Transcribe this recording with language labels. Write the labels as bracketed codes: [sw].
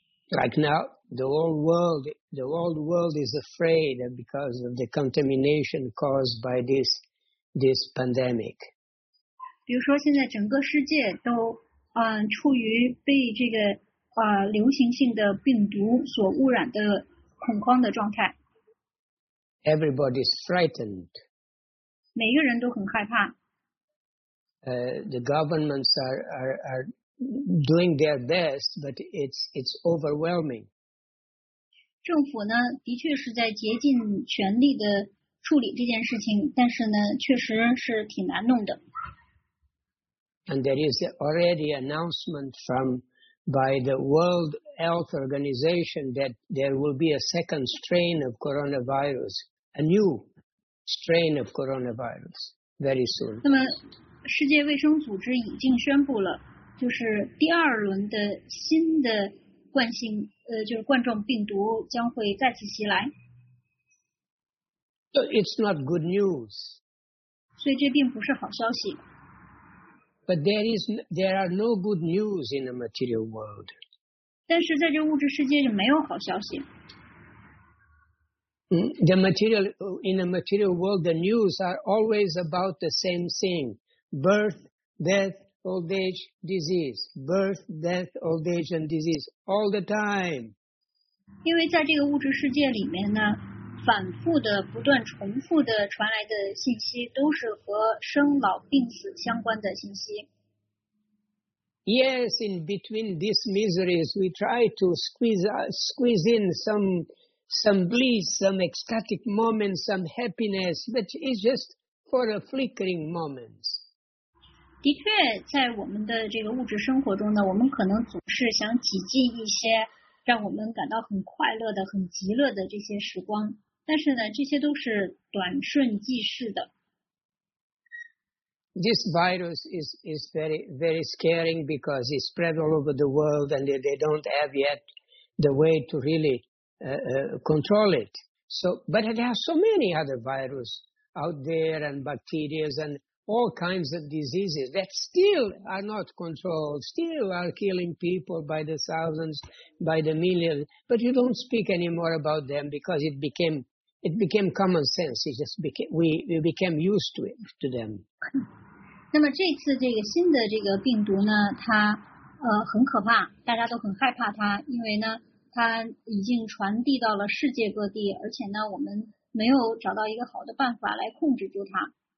[en] Like now, the whole world is afraid because of the contamination caused by this pandemic. [zh] 比如说现在整个世界都处于被这个流行性的病毒所污染的恐慌的状态。 [en] Everybody is frightened. [zh] 每个人都很害怕。 [en] The governments are doing their best, but it's overwhelming. [zh] 政府呢，的确是在竭尽全力的处理这件事情，但是呢，确实是挺难弄的。 [en] And there is already announcement by the World Health Organization that there will be a second strain of coronavirus, a new. Strain of coronavirus very soon. [zh] 那么，世界卫生组织已经宣布了，就是第二轮的新的冠性，就是冠状病毒将会再次袭来。 [en] It's not good news. [zh] 所以这并不是好消息。 [en] But there are no good news in the material world. [zh] 但是在这物质世界就没有好消息。 [en] In the material world, the news are always about the same thing. Birth, death, old age, disease. Birth, death, old age, and disease. All the time. [zh] 因为在这个物质世界里面呢，反复的、不断重复的传来的信息都是和生老病死相关的信息。 [en] Yes, in between these miseries, we try to squeeze in some bliss, some ecstatic moments, some happiness, but it's just for a flickering moments. [zh] 的确在我们的这个物质生活中呢，我们可能总是想挤进一些让我们感到很快乐的、很极乐的这些时光，但是呢，这些都是短瞬即逝的。 [en] This virus is very, very scaring because it's spread all over the world and they don't have yet the way to really... control it. So, but there are so many other viruses out there and bacteria and all kinds of diseases that still are not controlled, still are killing people by the thousands, by the millions, but you don't speak anymore about them because it became common sense. It just became, we became used to it, to them. [zh] 那么这次这个新的这个病毒呢，它很可怕，大家都很害怕它，因为呢它已经传递到了世界各地，而且呢，我们没有找到一个好的办法来控制住它。